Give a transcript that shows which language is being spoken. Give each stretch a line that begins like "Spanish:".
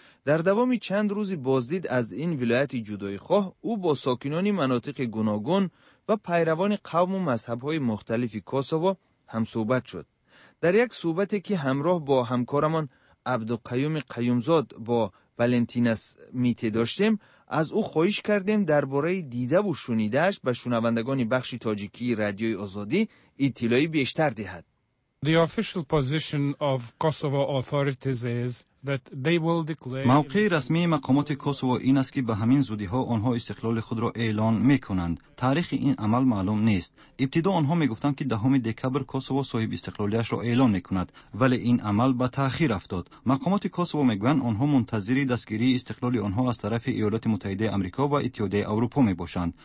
Persian: در دوامی چند روزی بازدید از این ولایت جدای خواه او با ساکنانی مناطق گوناگون و پیروان قوم و مذهب‌های مختلف کوسوو هم صحبت شد. در یک صحبتی که همراه با همکارمان عبدالقیوم قیومزاد با ولنتیناس میته داشتیم، از او خواهش کردیم درباره دیده و شنیده‌اش به شنوندگان بخش تاجیکی رادیوی آزادی اطلاعی بیشتر دهد.
English: The official position of Kosovo authorities is that they will declare
Persian: موقع رسمی مقامات کوسوو این است که به همین زودی ها آنها استقلال خود را اعلان می کنند. تاریخ این عمل معلوم نیست. ابتدا آنها می گفتند که 10 دکبر کوسوو صاحب استقلالیش را اعلان می کند، ولی این عمل به تاخیر افتاد. مقامات کوسوو می گویند آنها منتظری دستگیری استقلال آنها از طرف ایالات متحده آمریکا و اتحادیه اروپا می باشند.